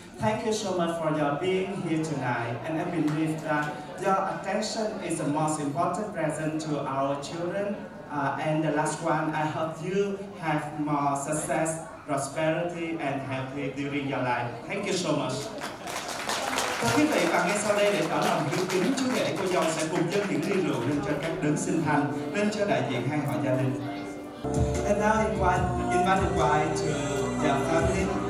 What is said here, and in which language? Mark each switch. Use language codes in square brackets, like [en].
[en] Thank you so much for your being here tonight. And I believe that your attention is the most important present to our children. And the last one, I hope you have more success prosperity and happy during your life. Thank you so much. [vi] Thưa quý vị, và ngay sau đây để tỏ lòng hiếu kính, chú rể cô dâu sẽ cùng dâng những ly rượu lên cho các đấng sinh thành, lên cho đại diện hai họ gia đình. [en] And now invite the bride to your family.